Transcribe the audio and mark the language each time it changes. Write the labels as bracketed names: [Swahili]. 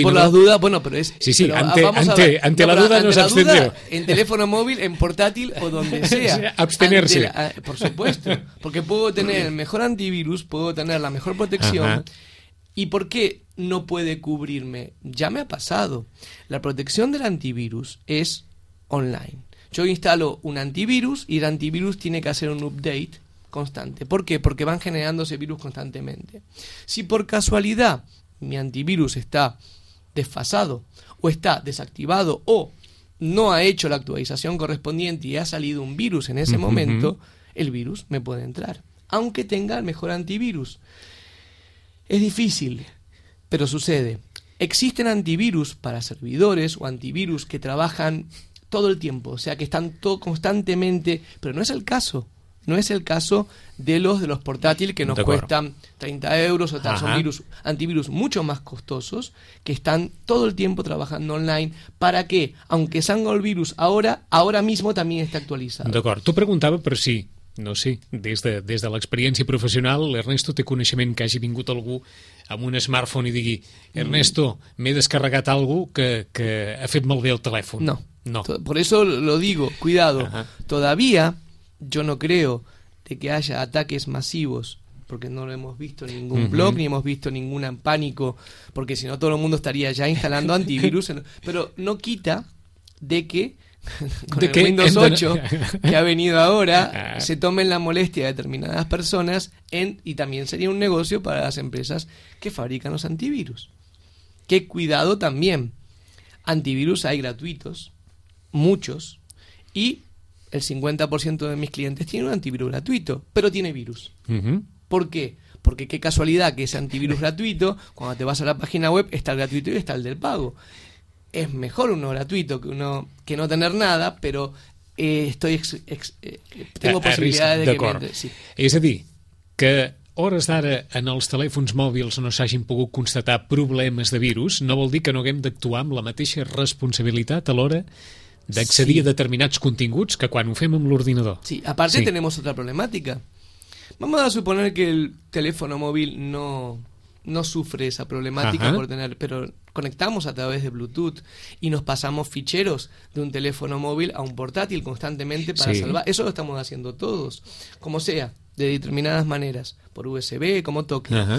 [Catalan] Jo per les dudes, bueno, però és... [Spanish] Sí, ante la duda [Catalan] no s'abstendeu. [Spanish] En telèfono mòbil, en portàtil o donde sea. Abstenerse. Por supuesto, porque puedo tener el mejor antivirus, puedo tener la mejor protección. ¿Y por qué no puede cubrirme? Ya me ha pasado. La protección del antivirus es online. Yo instalo un antivirus y el antivirus tiene que hacer un update constante. ¿Por qué? Porque van generándose virus constantemente. Si por casualidad mi antivirus está desfasado o está desactivado o no ha hecho la actualización correspondiente y ha salido un virus en ese momento, el virus me puede entrar, aunque tenga el mejor antivirus. Es difícil, pero sucede. Existen antivirus para servidores o antivirus que trabajan todo el tiempo, o sea que están todo constantemente, pero no es el caso, no es el caso de los portátiles que nos cuestan 30 euros o tal, son virus, antivirus mucho más costosos, que están todo el tiempo trabajando online, para que, aunque salga el virus ahora mismo también está actualizado. [Catalan] D'acord, tu preguntava per si, no sé, des de l'experiència professional, l'Ernesto té coneixement que hagi vingut algú amb un smartphone i digui, Ernesto, m'he descarregat algú que ha fet malbé el telèfon. [Spanish] No. Por eso lo digo, cuidado. Todavía yo no creo de que haya ataques masivos, porque no lo hemos visto en ningún blog, ni hemos visto ningún pánico, porque si no todo el mundo estaría ya instalando antivirus. Pero no quita de que con ¿de el qué? Windows 8 que ha venido ahora se tomen la molestia de determinadas personas y también sería un negocio para las empresas que fabrican los antivirus. Qué cuidado también. Antivirus hay gratuitos, muchos, y el 50% de mis clientes tiene un antivirus gratuito, pero tiene virus. ¿Por qué? Porque qué casualidad que ese antivirus gratuito, cuando te vas a la página web, está el gratuito y está el del pago. Es mejor uno gratuito que uno que no tener nada, pero tengo posibilidades de que me... Sí. [Catalan] És a dir, que hores d'ara en els telèfons mòbils no s'hagin pogut constatar problemes de virus, no vol dir que no haguem d'actuar amb la mateixa responsabilitat a l'hora d'accedir a determinats continguts que quan ho fem amb l'ordinador. [Spanish] Sí, aparte tenemos otra problemática. Vamos a suponer que el teléfono móvil no sufre esa problemática por tener, pero conectamos a través de Bluetooth y nos pasamos ficheros de un teléfono móvil a un portátil constantemente para salvar. Eso lo estamos haciendo todos, como sea, de determinadas maneras, por USB, como toque.